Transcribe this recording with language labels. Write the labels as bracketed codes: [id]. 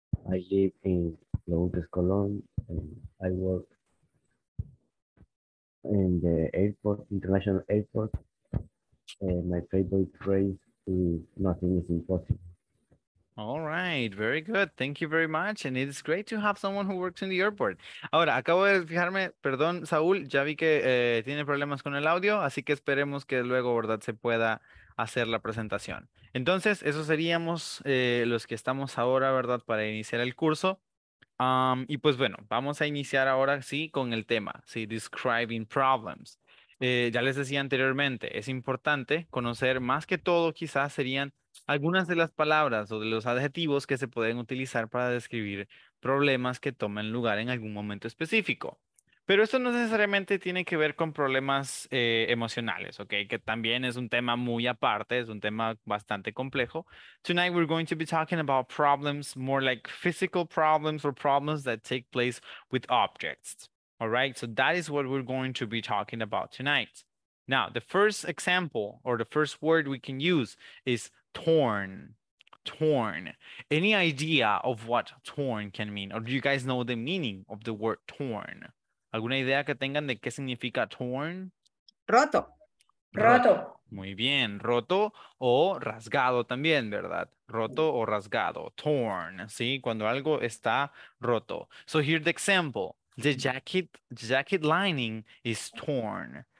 [en] I live in Londres, Colón, and I work in the airport, international airport. My favorite phrase is nothing is impossible. All right, very good. Thank you very much. And it's great to have someone who works in the airport. [es] Ahora, acabo de fijarme, perdón, Saúl, ya vi que tiene problemas con el audio, así que esperemos que luego, ¿verdad?, se pueda hacer la presentación. Entonces, esos seríamos los que estamos ahora, ¿verdad?, para iniciar el curso. Y pues bueno, vamos a iniciar ahora sí con el tema, sí, describing problems. Ya les decía anteriormente, es importante conocer más que todo, quizás serían algunas de las palabras o de los adjetivos que se pueden utilizar para describir problemas que tomen lugar en algún momento específico. Pero esto no necesariamente tiene que ver con problemas emocionales, okay, que también es un tema muy aparte, es un tema bastante complejo. [en] Tonight we're going to be talking about problems, more like physical problems or problems that take place with objects. All right, so that is what we're going to be talking about tonight. Now, the first example or the first word we can use is torn. Torn. Any idea of what torn can mean? Or do you guys know the meaning of the word torn? [es] ¿Alguna idea que tengan de qué significa torn? Roto. Roto. Muy bien. Roto o rasgado también, ¿verdad? Roto o rasgado. Torn, ¿sí? Cuando algo está roto. [en] So here's the example. The jacket lining is torn.